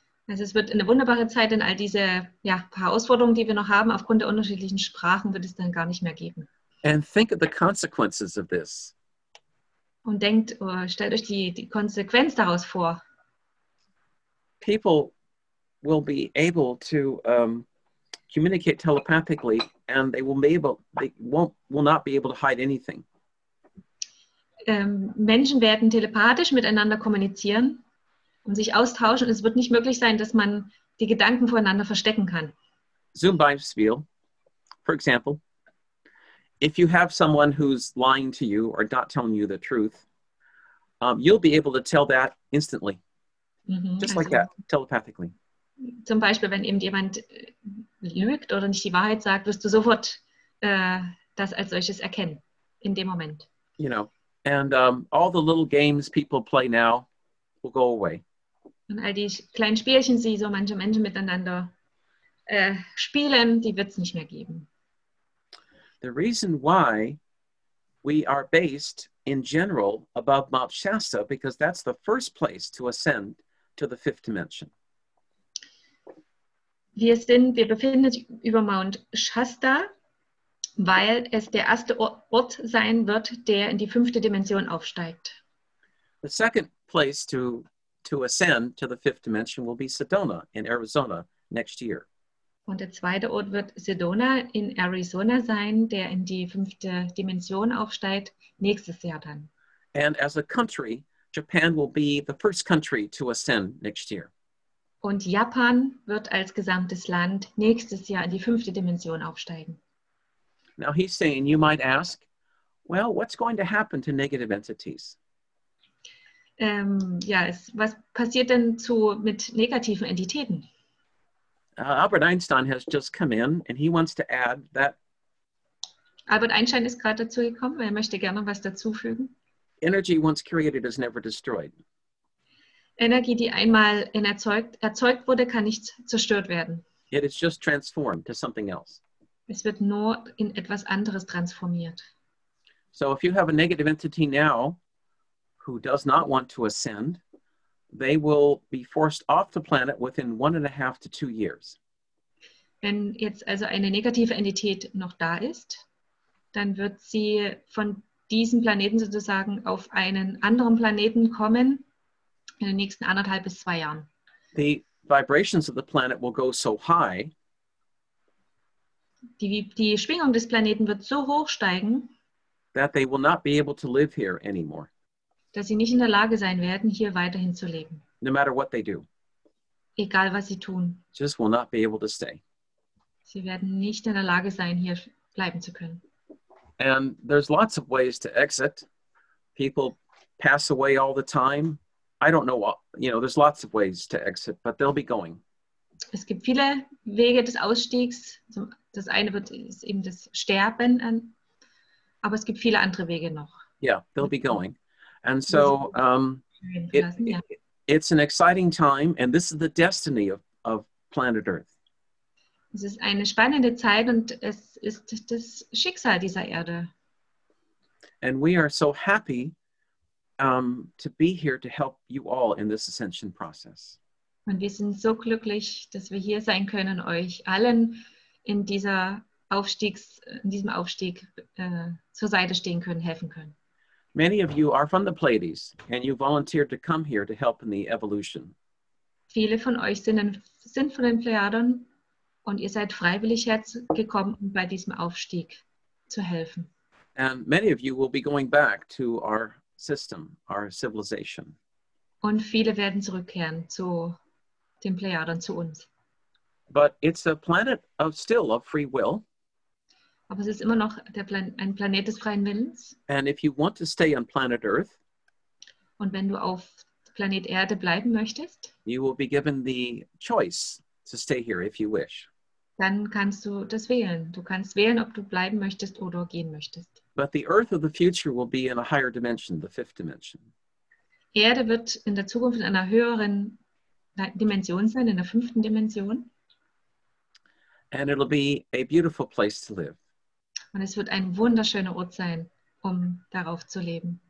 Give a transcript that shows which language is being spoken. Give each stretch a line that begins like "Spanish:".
German: Also es wird eine wunderbare Zeit, denn all diese Herausforderungen, die wir noch haben, aufgrund der unterschiedlichen Sprachen, wird es dann gar nicht mehr geben.
English: And think of the consequences of this.
German: Und denkt, stellt euch die Konsequenz daraus vor.
English: People will be able to communicate telepathically, and they will be able, they won't, will not be able to hide anything.
German: Menschen werden telepathisch miteinander kommunizieren und sich austauschen, und es wird nicht möglich sein, dass man die Gedanken voreinander verstecken kann. Zum Beispiel,
English: for example, if you have someone who's lying to you or not telling you the truth, you'll be able to tell that instantly. Mm-hmm. Just like that, telepathically.
German: Zum Beispiel, wenn eben jemand lügt oder nicht die Wahrheit sagt, wirst du sofort das als solches erkennen, in dem Moment.
English: You know, and all the little games people play now will go away.
German: Und all die kleinen Spielchen, die so manche Menschen miteinander spielen, die wird es nicht mehr geben.
English: The reason why we are based in general above Mount Shasta, because that's the first place to ascend to the fifth dimension.
German: Wir befinden uns über Mount Shasta, weil es der erste Ort sein wird, der in die fünfte Dimension aufsteigt.
English: The second place to ascend to the fifth dimension will be Sedona in Arizona next year.
German: Und der zweite Ort wird Sedona in Arizona sein, der in die fünfte Dimension aufsteigt, nächstes Jahr dann.
English: And as a country, Japan will be the first country to ascend next year.
German: Und Japan wird als gesamtes Land nächstes Jahr in die fünfte Dimension aufsteigen.
English: Now he's saying, you might ask, well, what's going to happen to negative entities?
German: Was passiert denn mit negativen Entitäten?
English: Albert Einstein has just come in, and he wants to add that.
German: Albert Einstein ist gerade dazu gekommen. Er möchte gerne was dazufügen.
English: Energy once created is never destroyed.
German: Energie, die einmal erzeugt wurde, kann nicht zerstört werden.
English: It is just transformed to something else.
German: Es wird nur in etwas anderes transformiert.
English: So, if you have a negative entity now, who does not want to ascend, they will be forced off the planet within 1.5 to 2 years.
German: Wenn jetzt also eine negative Entität noch da ist, dann wird sie von diesem Planeten sozusagen auf einen anderen Planeten kommen in den nächsten 1.5 bis 2 Jahren.
English: The vibrations of the planet will go so high.
German: Die Schwingung des Planeten wird so hoch steigen,
English: that they will not be able to live here anymore.
German: Dass sie nicht in der Lage sein werden, hier weiterhin zu leben.
English: No matter what they do.
German: Egal, was sie tun.
English: Just will not be able to stay.
German: Sie werden nicht in der Lage sein, hier bleiben zu können.
English: And there's lots of ways to exit. People pass away all the time. I don't know what, you know, there's lots of ways to exit, but they'll be going.
German: Es gibt viele Wege des Ausstiegs. Das eine ist eben das Sterben. Aber es gibt viele andere Wege noch.
English: Yeah, they'll be going. And so it's an exciting time, and this is the destiny of planet Earth.
German: Es ist eine spannende Zeit, und es ist das Schicksal dieser Erde.
English: And we are so happy to be here to help you all in this ascension process.
German: Und wir sind so glücklich, dass wir hier sein können, euch allen in diesem Aufstieg zur Seite stehen können, helfen können.
English: Many of you are from the Pleiades, and you volunteered to come here to help in the evolution.
German: Viele von euch sind von den Pleiaden, und ihr seid freiwillig hergekommen, um bei diesem Aufstieg zu helfen.
English: And many of you will be going back to our system, our civilization.
German: Und viele werden zurückkehren zu den Pleiaden, zu uns.
English: But it's a planet of still of free will.
German: Aber es ist immer noch ein Planet des freien Willens.
English: And if you want to stay on planet Earth,
German: und wenn du auf Planet Erde bleiben möchtest,
English: you will be given the choice to stay here if you wish.
German: Dann kannst du das wählen. Du kannst wählen, ob du bleiben möchtest oder gehen möchtest.
English: But the Earth of the future will be in a higher dimension, the fifth dimension.
German: Erde wird in der Zukunft in einer höheren Dimension sein, in der fünften Dimension.
English: And it'll be a beautiful place to live.
German: Und es wird ein wunderschöner Ort sein, um darauf zu leben.